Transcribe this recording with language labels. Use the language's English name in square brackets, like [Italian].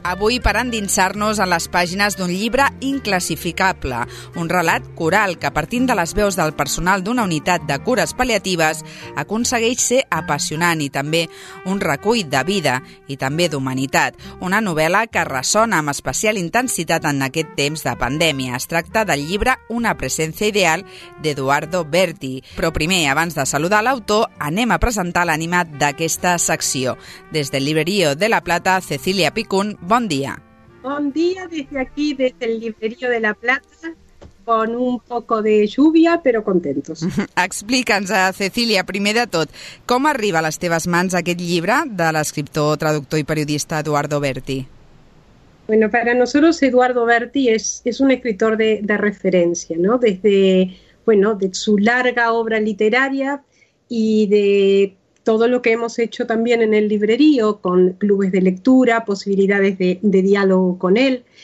[Catalan] Avui per endinsar-nos en les pàgines d'un llibre inclassificable, un relat coral que, partint de les veus del personal d'una unitat de cures pal·liatives, aconsegueix ser apassionant i també un recull de vida i també d'humanitat. Una novel·la que ressona amb especial intensitat en aquest temps de pandèmia. Es tracta del llibre Una presència ideal, d'Eduardo Berti. Però primer, abans de saludar l'autor, anem a presentar l'ànima d'aquesta secció. Des del Librerío de la Plata, Cecilia Picún, bon dia. Bon dia [Spanish] desde aquí, desde el Librerío de la Plata, con un poco de lluvia, pero contentos. [Catalan] Explica'ns, Cecilia, primer de tot, com arriba a les teves mans aquest llibre de l'escriptor, traductor i periodista Eduardo Berti? [Spanish] Bueno, para nosotros Eduardo Berti es un escritor de referencia, ¿no? Desde, bueno, de su larga obra literaria y de... todo lo que hemos hecho también en el Librerío, con clubes de lectura, posibilidades de diálogo con él.